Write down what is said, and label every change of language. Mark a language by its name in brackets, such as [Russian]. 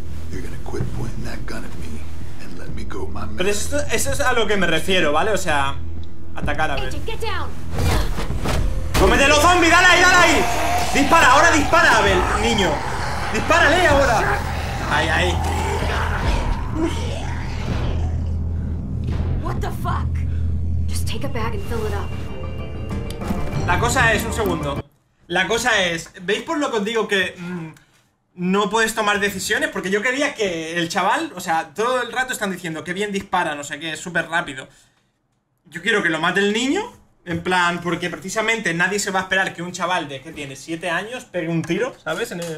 [English] You're gonna quit pointing that gun at me and let me go my man. [Spanish] Pero eso es a lo que me refiero, ¿vale? O sea, atacar a ver. ¡Cómetelo, zombie! ¡Dale ahí, dale ahí! ¡Dispara! ¡Ahora dispara, Abel, niño! ¡Dispárale ahora! ¡Ay, ay! [English] What the fuck? Just take a bag and fill it up. [Spanish] La cosa es, un segundo. La cosa es, ¿veis por lo que os digo que no puedes tomar decisiones? Porque yo quería que el chaval, o sea, todo el rato están diciendo que bien dispara, no sé qué, es súper rápido. Yo quiero que lo mate el niño. En plan, porque precisamente nadie se va a esperar que un chaval de que tiene 7 años pegue un tiro, ¿sabes?